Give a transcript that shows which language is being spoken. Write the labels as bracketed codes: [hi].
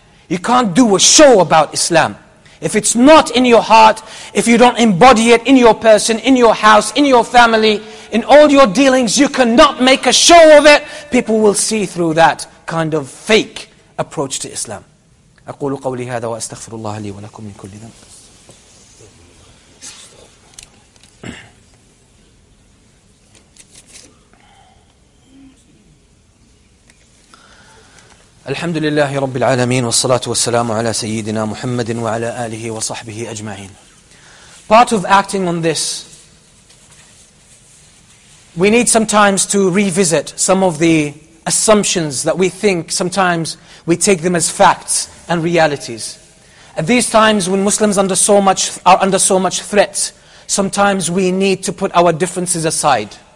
[en] You can't do a show about Islam. If it's not in your heart, if you don't embody it in your person, in your house, in your family, in all your dealings, you cannot make a show of it. People will see through that kind of fake approach to Islam. [ar] أقول قولي هذا وأستغفر الله لي ولكم من كل ذنب. الحمد لله رب العالمين والصلاة والسلام على سيدنا محمد وعلى آله وصحبه أجمعين. [en] Part of acting on this, we need sometimes to revisit some of the assumptions that we think, sometimes we take them as facts and realities. At these times when Muslims are under so much threat, sometimes we need to put our differences aside.